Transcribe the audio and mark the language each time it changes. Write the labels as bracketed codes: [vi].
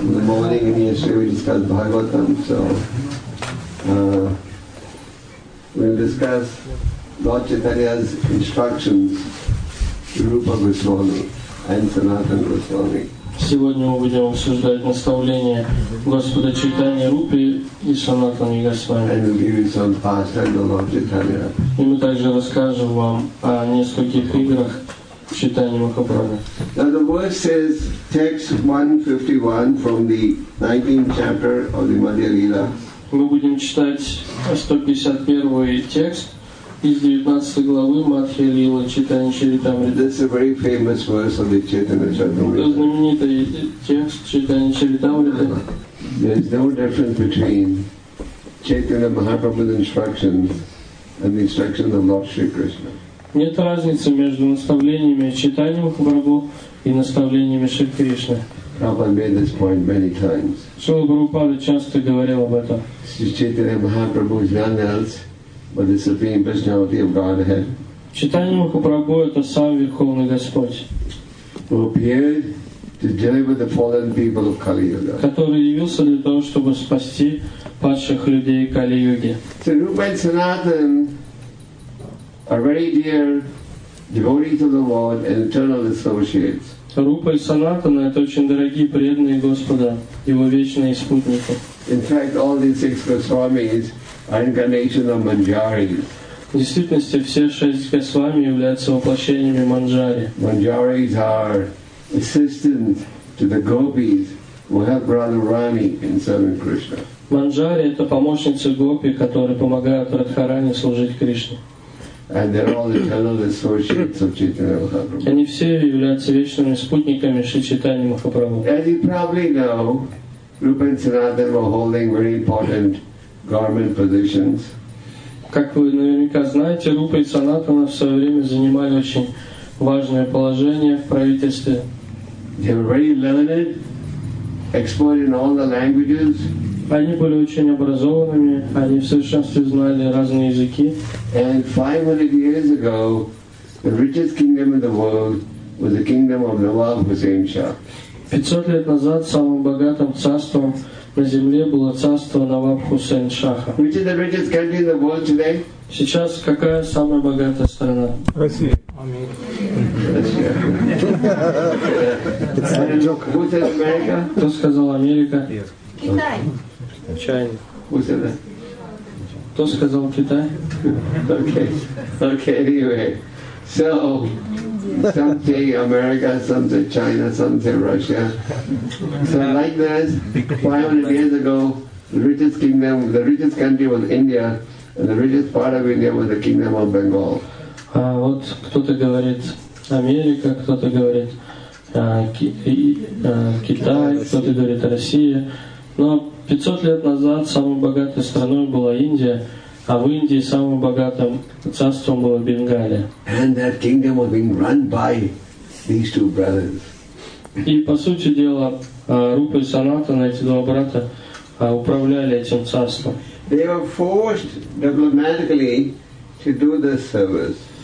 [en] In the morning in yesterday we discussed Bhagavatam, so we'll discuss Lord Chaitanya's instructions to Rupa Goswami and Sanatana Goswami. [ru] Сегодня мы будем обсуждать наставления Господа Чайтанья Рупы и Санатаны Госвами. И мы также расскажем вам о нескольких играх Чайтаньи Махапрабху. [en] Now the verse says, text 151 from the 19th chapter of the Madhya Lila. [ru] Мы будем читать 151 текст из 19 главы Мадхья Лила Чайтанья Чаритамрита. [en] This is a very famous verse of the Chaitanya Charitamrita. [ru] Знаменитый текст Чайтанья Чаритамрита. [en] There is no difference between Chaitanya Mahaprabhu's instructions and the instructions of Lord Shri Krishna. [ru] Нет разницы между наставлениями Чайтанья Махапрабху и наставлениями Шри Кришны. [en] Prabhupada made this point many times. [ru] Шрила Прабхупада часто говорил об этом. [en] Chaitanya Mahaprabhu is none else but the Supreme Personality of Godhead. [ru] Чайтанья Махапрабху – это сам Верховный Господь. [en] Who appeared to deliver the fallen people of Kali Yuga. [ru] Который явился для того, чтобы спасти падших людей Кали Юги. [en] So Rupa and Sanatan are very dear devotees of the Lord and eternal associates. [ru] Рупа и Санатана – это очень дорогие преданные Господа, Его вечные спутники. [en] In fact, all these six Goswamis are incarnations of Manjari. [ru] В действительности, все шесть Госвами являются воплощениями Манджари. [en] Manjaris are assistants to the gopis who help Radha Rani in serving Krishna. [ru] Манджари – это помощницы гопи, которые помогают Радхарани служить Кришне. [en] And they're all eternal associates of Chaitanya Mahaprabhu. [ru] Они все являются вечными спутниками Шри Чайтаньи Махапрабху. [en] As you probably know, Rupa and Sanatana were holding very important government positions. [ru] Как вы наверняка знаете, Рупа и Санатана в свое время занимали очень важное положение в правительстве. [en] They were very learned, expert in all the languages. [ru] Они были очень образованными, они в совершенстве знали разные языки. [en] And 500 years ago, the richest kingdom in the world was the kingdom of Nawab Hussain Shah. [ru] 500 лет назад самым богатым царством на земле было царство Наваб Хусейн Шаха. [en] Which is the richest country in the world today? [ru] Сейчас какая самая богатая страна? Россия. Аминь. [en] Who said America? [ru] Кто сказал Америка? Китай. Кто сказал Китай? [en] Okay, anyway. So, some say America, some say China, some say Russia. So like this, 500 years ago, the richest country was India, and the richest part of India was the kingdom of Bengal. [ru] Вот кто-то говорит Америка, кто-то говорит Китай, кто-то говорит Россия. Но 500 лет назад самой богатой страной была Индия, а в Индии самым богатым царством было Бенгалия. [en] And that kingdom was being run by these two brothers. [ru] И по сути дела Рупа и Санатана, эти два брата, управляли этим царством. [en] They were forced diplomatically to do this service.